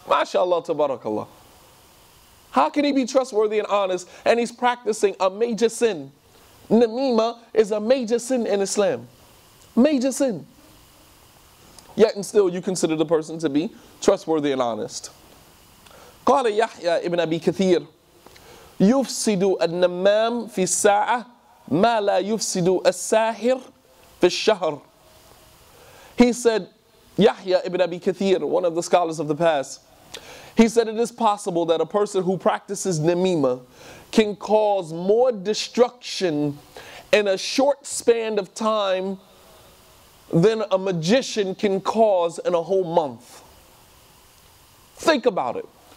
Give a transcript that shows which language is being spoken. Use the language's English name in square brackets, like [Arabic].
[English] MashaAllah, tabarakallah. How can he be trustworthy and honest and he's practicing a major sin? Namima is a major sin in Islam. Major sin. Yet and still you consider the person to be trustworthy and honest. [Arabic] قال يحيى ابن أبي كثير يفسد النمام في الساعة ما لا يفسد الساحر في الشهر. [English] He said, Yahya ibn Abi Kathir, one of the scholars of the past, he said, it is possible that a person who practices namima can cause more destruction in a short span of time than a magician can cause in a whole month. Think about it.